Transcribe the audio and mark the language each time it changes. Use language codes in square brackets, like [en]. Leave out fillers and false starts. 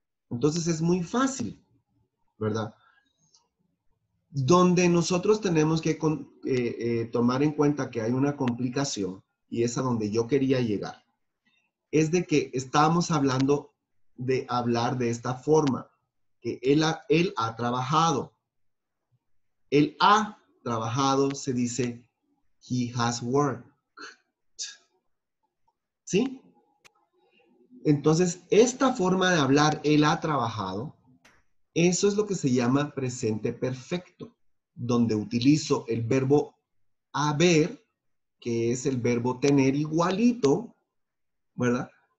[es] Entonces es muy fácil, ¿verdad? Donde nosotros tenemos que tomar en cuenta que hay una complicación, y es a donde yo quería llegar, es de que estábamos hablando de hablar de esta forma, que él ha trabajado. El ha trabajado se dice [en] he has worked. [es] ¿Sí? Entonces, esta forma de hablar, él ha trabajado, eso es lo que se llama presente perfecto, donde utilizo el verbo haber, que es el verbo tener igualito, ¿verdad?